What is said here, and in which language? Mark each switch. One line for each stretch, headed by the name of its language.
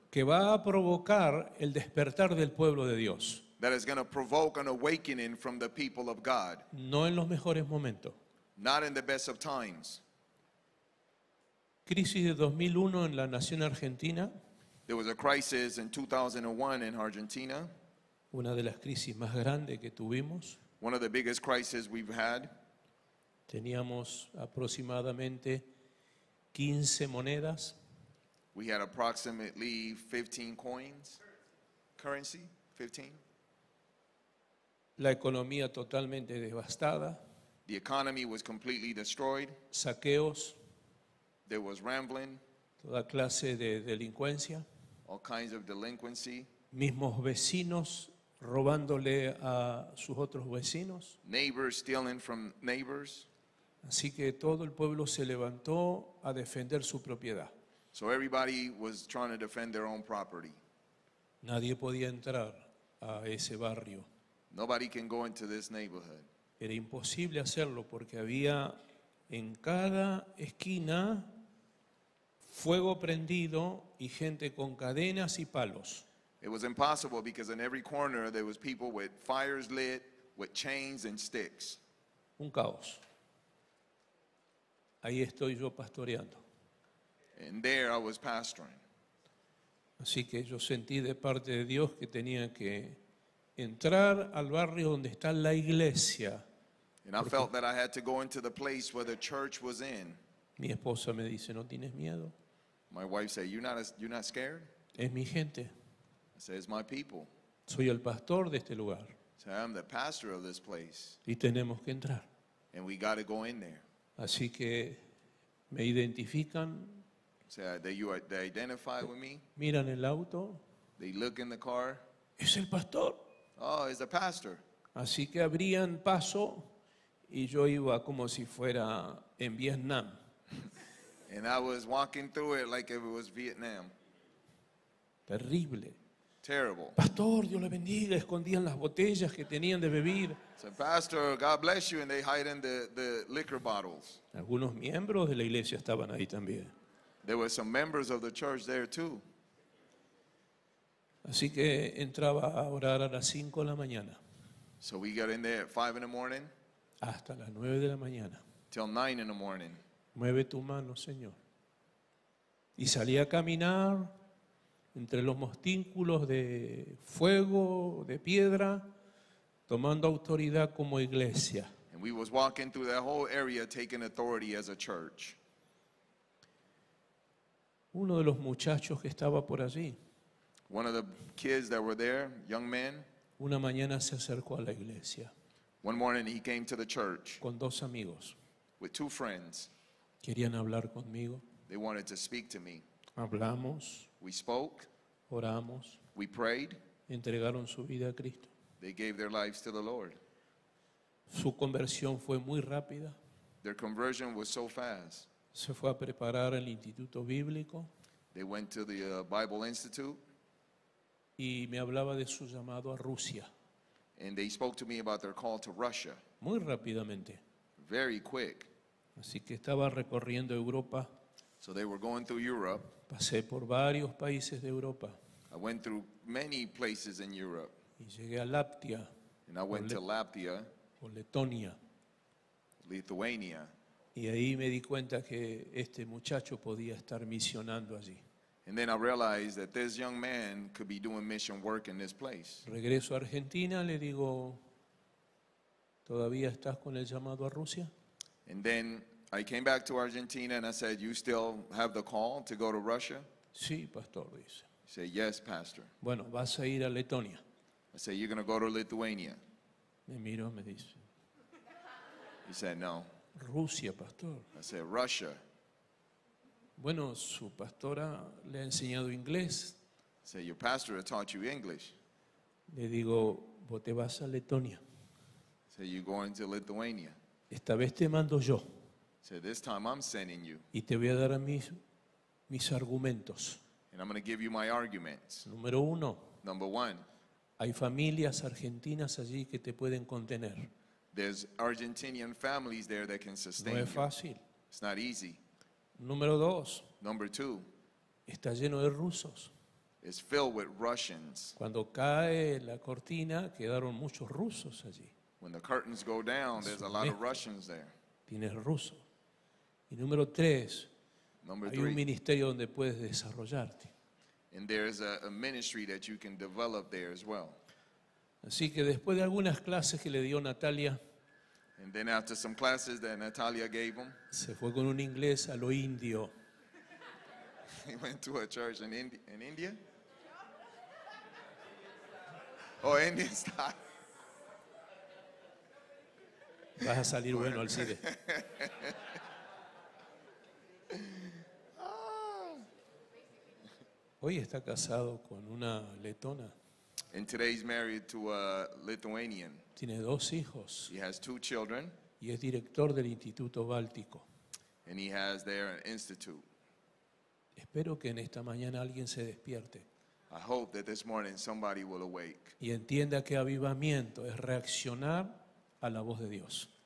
Spanish: Que va a provocar el despertar del pueblo de Dios.
English: That is going to provoke an awakening from the people of God.
Spanish: No en los mejores momentos.
English: Not in the best of times.
Spanish: Crisis de 2001 en la nación argentina.
English: There was a crisis in 2001 in Argentina.
Spanish: Una de las crisis más grandes que tuvimos.
English: One of the biggest crises we've had.
Spanish: Teníamos aproximadamente 15 monedas.
English: We had approximately 15 coins. Currency, 15.
Spanish: La economía totalmente devastada.
English: The economy was completely destroyed.
Spanish: Saqueos.
English: There was rambling.
Spanish: Toda clase de delincuencia.
English: All kinds of delinquency.
Spanish: Mismos vecinos robándole a sus otros vecinos.
English: Neighbors stealing from neighbors.
Spanish: Así que todo el pueblo se levantó a defender su propiedad.
English: So everybody was trying to defend their own property.
Spanish: Nadie podía entrar a ese barrio.
English: Nobody can go into this neighborhood.
Spanish: Era imposible hacerlo porque había en cada esquina fuego prendido y gente con cadenas y palos.
English: It was impossible because in every corner there was people with fires lit, with chains and sticks.
Spanish: Un caos. Ahí estoy yo pastoreando.
English: And there I was pastoring.
Spanish: Así que yo sentí de parte de Dios que tenía que entrar al barrio donde está la iglesia.
English: And I felt that I had to go into the place where the church was in.
Spanish: Mi esposa me dice, ¿no tienes miedo?
English: My wife said, you're not scared?
Spanish: Es mi gente.
English: I said, it's my people.
Spanish: Soy el pastor de este lugar.
English: So I'm the pastor of this place.
Spanish: Y tenemos que entrar.
English: And we got to go in there.
Spanish: Así que me identifican.
English: They identify with me.
Spanish: Miran el auto.
English: They look in the car.
Spanish: Es el pastor.
English: Oh, it's the pastor.
Spanish: Así que abrían paso y yo iba como si fuera en Vietnam.
English: And I was walking through it like if it was Vietnam.
Spanish: Terrible.
English: Terrible.
Spanish: Pastor, Dios le bendiga, escondían las botellas que tenían de beber.
English: So pastor, God bless you, and they hide in the liquor bottles.
Spanish: Algunos miembros de la iglesia estaban ahí también.
English: There were some members of the church there too.
Spanish: Así que entraba a orar a las 5 de la mañana.
English: So we got in there at 5 in the morning.
Spanish: Hasta las 9 de la mañana.
English: Till 9 in the morning.
Spanish: Mueve tu mano, Señor. Y salí a caminar entre los montículos de fuego, de piedra, tomando autoridad como iglesia.
English: And we was walking through that whole area taking authority as a church.
Spanish: Uno de los muchachos que estaba por allí.
English: One of the kids that were there, young man.
Spanish: Una mañana se acercó a la iglesia.
English: One morning he came to the church.
Spanish: Con dos amigos.
English: With two friends.
Spanish: Querían hablar conmigo.
English: They wanted to speak to me.
Spanish: Hablamos.
English: We spoke.
Spanish: Oramos.
English: We prayed.
Spanish: Entregaron su vida a Cristo.
English: They gave their lives to the Lord.
Spanish: Su conversión fue muy rápida.
English: Their conversion was so fast.
Spanish: Se fue a preparar al Instituto Bíblico.
English: They went to the Bible Institute.
Spanish: Y me hablaba de su llamado a Rusia.
English: And they spoke to me about their call to Russia.
Spanish: Muy rápidamente.
English: Very quick.
Spanish: Así que estaba recorriendo Europa.
English: So they were going through Europe.
Spanish: Pasé por varios países de Europa.
English: I went through many places in Europe.
Spanish: Y llegué a Latvia.
English: And I went to Latvia.
Spanish: O Letonia.
English: Lithuania.
Spanish: Y ahí me di cuenta que este muchacho podía estar misionando allí.
English: And then I realized that this young man could be doing mission work in this place.
Spanish: Regreso a Argentina, le digo, ¿todavía estás con el llamado a Rusia?
English: And then I came back to Argentina and I said, you still have the call to go to Russia?
Spanish: Sí, pastor, dice.
English: He said, yes, pastor.
Spanish: Bueno, vas a ir a Letonia.
English: I said, you're going to go to Lithuania.
Spanish: Me miró, me dice.
English: He said, no.
Spanish: Rusia, pastor.
English: I said, Russia.
Spanish: Bueno, su pastora le ha enseñado inglés.
English: I said, your pastor has taught you English.
Spanish: Le digo, vos te vas a Letonia.
English: I said, you're going to Lithuania.
Spanish: Esta vez te mando yo.
English: I said, this time I'm sending you.
Spanish: Y te voy a dar a mis argumentos.
English: And I'm going to give you my arguments.
Spanish: Número uno.
English: Number one.
Spanish: Hay familias argentinas allí que te pueden contener.
English: There's Argentinian families there that can sustain you.
Spanish: No es fácil.
English: It's not easy.
Spanish: Número dos.
English: Number two.
Spanish: Está lleno de rusos.
English: It's filled with Russians.
Spanish: Cuando cae la cortina, quedaron muchos rusos allí.
English: When the curtains go down, there's a lot of Russians there.
Spanish: Tienes ruso. Y número tres.
English: Number
Spanish: hay
English: three.
Spanish: Hay un ministerio donde puedes desarrollarte.
English: And there's a ministry that you can develop there as well.
Spanish: Así que después de algunas clases que le dio Natalia,
English: and then after some classes that Natalia gave him,
Spanish: se fue con un inglés a lo indio.
English: He went to a church in India? Oh, Indian style.
Spanish: Vas a salir bueno al cine. Hoy está casado con una letona.
English: And today he's married to a Lithuanian.
Spanish: Tiene dos hijos.
English: He has two children.
Spanish: Y es director del Instituto Báltico.
English: And he has there an institute.
Spanish: Es Espero que en esta mañana alguien se despierte.
English: I hope that this morning somebody will awake.
Spanish: Y entienda que avivamiento es reaccionar a la voz de Dios.